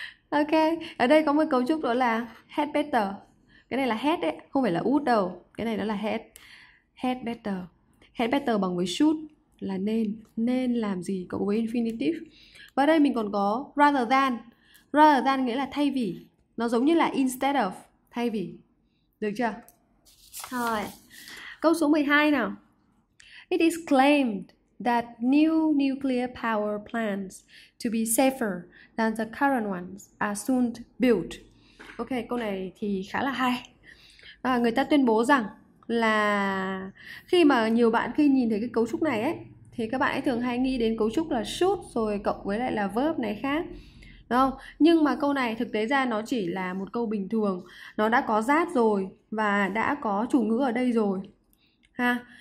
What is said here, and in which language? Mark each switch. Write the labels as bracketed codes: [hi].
[vi] Ok, ở đây có một cấu trúc đó là head better. Cái này là head đấy, không phải là would đâu. Cái này nó là head. [en] Head better. Head better [vi] bằng với should là nên. Nên làm gì cộng với infinitive. Và đây mình còn có [en] rather than. Rather than [vi] nghĩa là thay vì. Nó giống như là [en] instead of, [vi] thay vì. Được chưa? Rồi, câu số 12 nào. [en] It is claimed that new nuclear power plants to be safer than the current ones are soon built. [vi] Ok, câu này thì khá là hay. À, người ta tuyên bố rằng là khi mà nhiều bạn khi nhìn thấy cái cấu trúc này ấy, thì các bạn ấy thường hay nghĩ đến cấu trúc là should rồi cộng với lại là verb này khác. Đúng không? Nhưng mà câu này thực tế ra nó chỉ là một câu bình thường. Nó đã có that rồi và đã có chủ ngữ ở đây rồi. Ha.